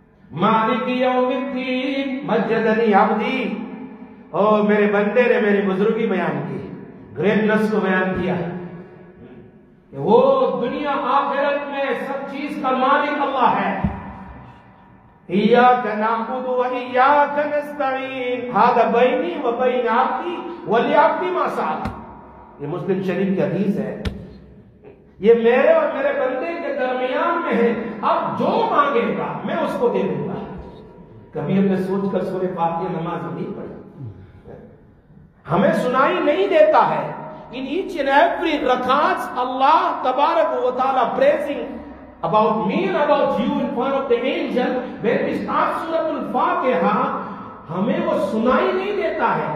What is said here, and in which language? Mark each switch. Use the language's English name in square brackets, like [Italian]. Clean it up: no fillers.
[Arabic] مالک یوم الدین مجدنی عبدی, [Urdu] او میرے بندے نے میری بزرگی بیان کی, گریٹنس کو بیان کیا کہ وہ دنیا آخرت میں سب چیز کا مالک اللہ ہے. [Arabic] ایاک نعبد و ایاک نستعین ھذا بینی و بین عبدی و لعبدی ما سأل. [Urdu] یہ مسلم شریف کی حدیث ہے, یہ میرے اور میرے بندے کے درمیان میں ہے, اب جو مانگے گا میں اس کو دے دوں گا. کبھی ہم نے سوچ کر سورہ فاتحہ نماز نہیں پڑھی, ہمیں سنائی نہیں دیتا ہے. [English] in each and every رکعت اللہ تبارک و تعالیٰ praising about me and about you in front of the angel when we start سورت الفاتحہ, [Urdu] ہمیں وہ سنائی نہیں دیتا ہے.